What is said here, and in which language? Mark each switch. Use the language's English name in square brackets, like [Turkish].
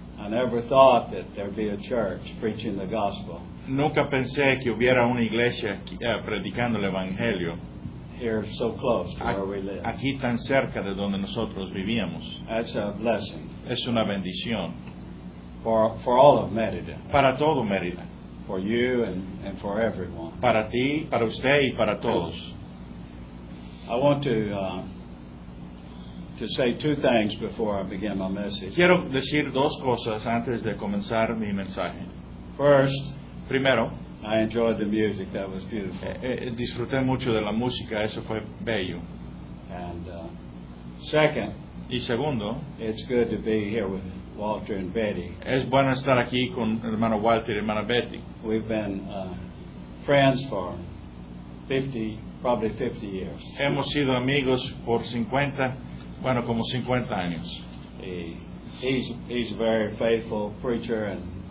[English] I never thought that there'd be a church preaching the gospel. [Spanish] Nunca pensé que hubiera una iglesia predicando el evangelio. [English] Here so close to where we live. [Spanish] Aquí tan cerca de donde nosotros vivíamos. [English] That's a blessing. [Spanish] Es una bendición. [English] For all of Mérida. [Spanish] Para todo Mérida. [English] For you and for everyone. [Spanish] Para ti, para usted y para todos. [English] I want to say two things before I begin my message. [Spanish] Quiero decir dos cosas antes de comenzar mi mensaje. [English] First, [Spanish] primero, [English] I enjoyed the music. That was beautiful. [Spanish] Disfruté mucho de la música. Eso fue bello. [English] And second, [Spanish] y segundo, [English] it's good to be here with Walter and Betty. [Spanish] Es bueno estar aquí con hermano Walter y hermana Betty. [English] We've been friends for 50, probably 50 years. [Spanish] Hemos sido amigos por 50. Bueno, como 50 años. [English] He's a very faithful preacher and